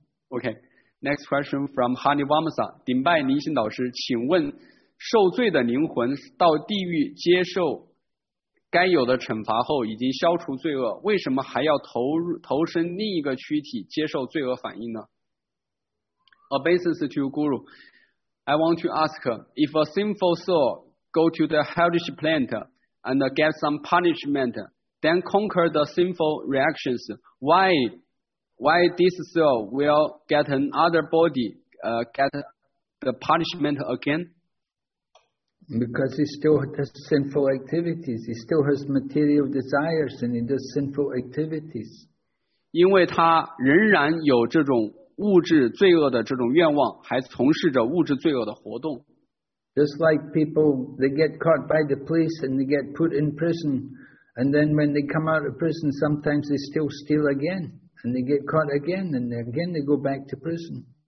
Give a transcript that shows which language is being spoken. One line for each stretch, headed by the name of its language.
English: Okay. Next question from Hani Vamsa,
Chinese: 顶拜灵性导师，请问受罪的灵魂到地狱接受。该有的惩罚后已经消除罪恶，为什么还要投身另一个躯体接受罪恶反应呢？
English: Obeisance to Guru, I want to ask, if a sinful soul go to the hellish planet and get some punishment, then conquer the sinful reactions. Why this soul will get another body, get the punishment again? Because he still has sinful activities. He still has material desires and he does sinful activities.
Chinese: 因为他仍然有这种物质罪恶的这种愿望，还从事着物质罪恶的活动。
English: Just like people, they get caught by the police and they get put in prison. And then when they come out of prison, sometimes they still steal again. And they get caught again, and again they go back to prison.